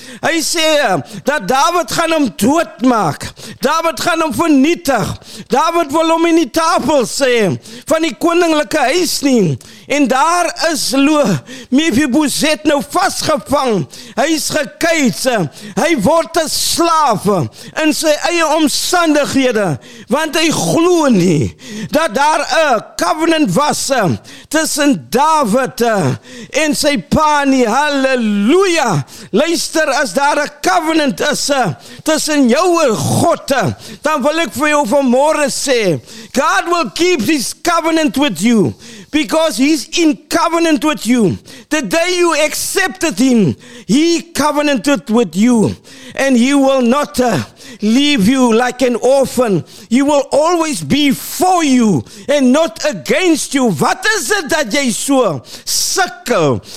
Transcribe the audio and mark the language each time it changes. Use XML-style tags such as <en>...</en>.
<af>Hy sê dat David gaan hom doodmaak, David gaan hom vernietig, David wil hom in die tafel sê, van die koninklike huis nie, en daar is Mephibozet nou vastgevang, hy is gekuis, hy word 'n slaaf in sy eie omstandighede, want hy glo nie dat daar 'n covenant was tussen David en sy pa nie. Halleluja, luister, as daar 'n covenant is tussen jou en God, dan wil ek vir jou vanmorgen sê,</af> <en>God will keep his covenant with you, because he's in covenant with you. The day you accepted him, he covenanted with you, and he will not leave you like an orphan. He will always be for you and not against you.</en> <af>Wat is dit dat jy so sukkel?</af>